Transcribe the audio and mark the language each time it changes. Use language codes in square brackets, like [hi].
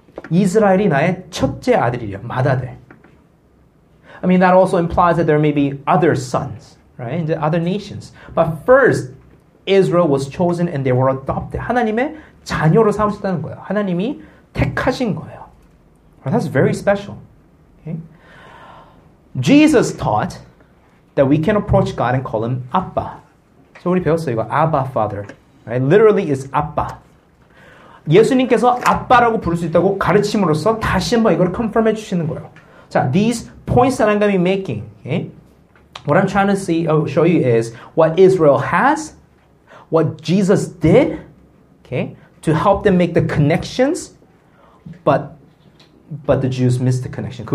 [ko] 이스라엘이 나의 첫째 아들이요, 맏아들. [en] I mean, that also implies that there may be other sons, right? In the other nations. But first, Israel was chosen and they were adopted. [ko] 하나님의 자녀로 삼으셨다는 거예요. 하나님이 택하신 거예요. [en] Well, that's very special. Okay? Jesus taught that we can approach God and call him Abba. [ko] So 우리 배웠어요, 이거. [en] Abba, Father. Right? Literally, it's Abba. [ko] 예수님께서 아빠라고 부를 수 있다고 가르침으로써 다시 한번 이걸 컨펌해 주시는 거예요. [en] 자, these points that I'm going to be making, okay? What I'm trying to see, show you is what Israel has, what Jesus did, okay, to help them make the connections, but the Jews missed the connection.